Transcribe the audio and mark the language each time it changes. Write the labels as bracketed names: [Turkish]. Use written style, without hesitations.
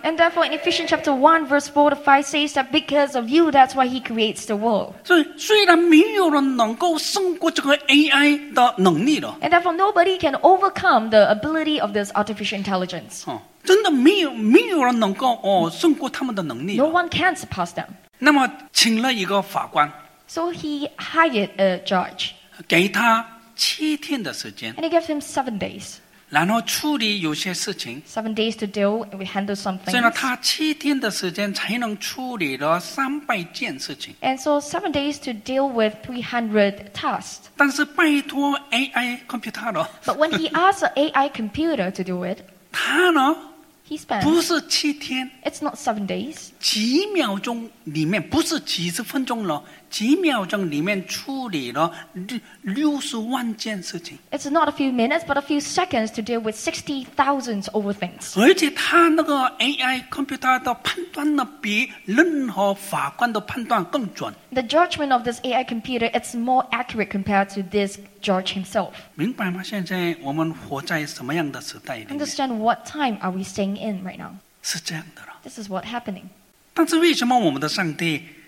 [English] And therefore, in Ephesians chapter 1, verse 4 to 5 says that because of you, that's why he creates the world. [Chinese] 所以虽然没有人能够胜过这个AI的能力了。 [English] And therefore, nobody can overcome the ability of this artificial intelligence. [Chinese] 真的没有人能够胜过他们的能力。 [English] No one can surpass them. [Chinese] 那么请了一个法官， [English] So he hired a judge. [Chinese] 给他7天的时间， [English] And he gave him 7 days. [Chinese] 然后处理有些事情， [English] 7 days to deal with handle some things. [Chinese] 所以呢，他7天的时间才能处理了300件事情。 [English] And so 7 days to deal with 300 tasks. [Chinese] 但是拜托AI computer了。 [English] But when he asked an AI computer to do it, [Chinese] 他呢， [English] he spent. [Chinese] 不是七天, [English] it's not 7 days. [Chinese] 几秒钟里面, 不是几十分钟了, 几秒钟里面处理了60万件事情。 [English] It's not a few minutes, but a few seconds to deal with 60,000 over things. [Chinese] 而且他那个AI computer的判断呢，比任何法官的判断更准。 [English] The judgment of this AI computer is more accurate compared to this judge himself. [Chinese] 明白吗？现在我们活在什么样的时代里面？ [English] Understand what time are we staying in right now? [Chinese] 是这样的了。 [English] This is what happening. [Chinese] 但是为什么我们的上帝？